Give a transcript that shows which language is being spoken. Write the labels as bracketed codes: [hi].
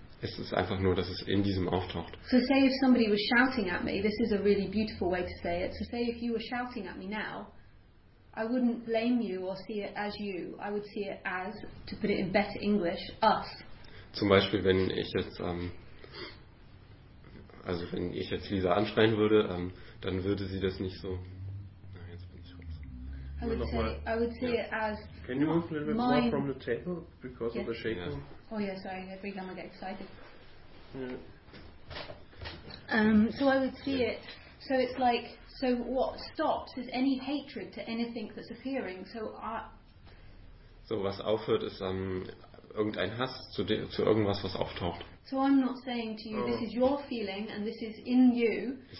[de] Es ist einfach nur, dass es in diesem auftaucht. [en] So say if somebody was shouting at me, this is a really beautiful way to say it. So say if you were shouting at me now, I wouldn't blame you or see it as you. I would see it as, to put it in better English, us. [de] Zum Beispiel, wenn ich jetzt, wenn ich jetzt Lisa anschreien würde, dann würde sie das nicht so. Na, jetzt bin ich raus. [en] I would see it as. Can you move a little bit more from the table because of the shaking? Yeah. Oh yeah, sorry, every time I get excited. Yeah. So I would see it, so it's like, so what stops is any hatred to anything that's appearing. So [de] was aufhört ist irgendein Hass zu irgendwas, was auftaucht. [en] So I'm not saying to you, this is your feeling and this is in you,